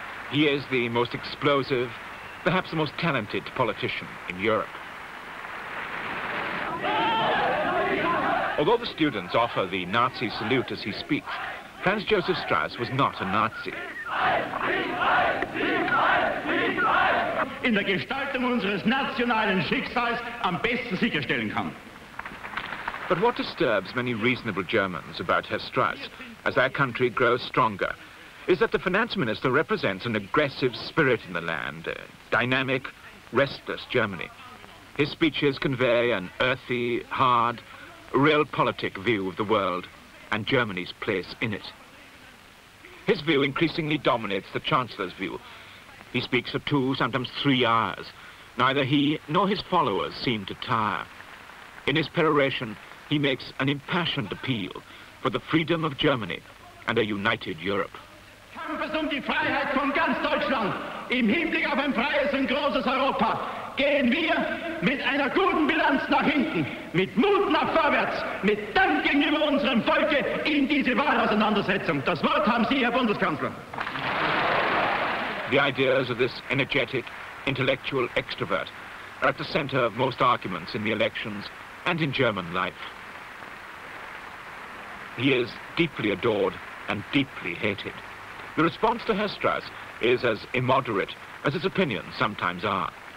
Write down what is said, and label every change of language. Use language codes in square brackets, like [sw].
[en] He is the most explosive, perhaps the most talented politician in Europe. Although the students offer the Nazi salute as he speaks, Franz Josef Strauss was not a Nazi. [de] In der Gestaltung unseres nationalen Schicksals am besten sicherstellen kann. [en] But what disturbs many reasonable Germans about Herr Strauss as their country grows stronger is that the finance minister represents an aggressive spirit in the land, a dynamic, restless Germany. His speeches convey an earthy, hard, real politic view of the world and Germany's place in it. His view increasingly dominates the Chancellor's view. He speaks for 2, sometimes 3 hours. Neither he nor his followers seem to tire. In his peroration, he makes an impassioned appeal for the freedom of Germany and a united Europe. [de] Kampfes um die Freiheit von ganz Deutschland im Hinblick auf ein freies und großes Europa gehen wir mit einer guten Bilanz nach hinten, mit Mut nach vorwärts, mit Dank gegenüber unserem Volke in diese Wahlauseinandersetzung. Das Wort haben Sie, Herr Bundeskanzler. [en] The ideas of this energetic, intellectual extrovert are at the center of most arguments in the elections and in German life. He is deeply adored and deeply hated. The response to Herr Strauss is as immoderate as his opinions sometimes are.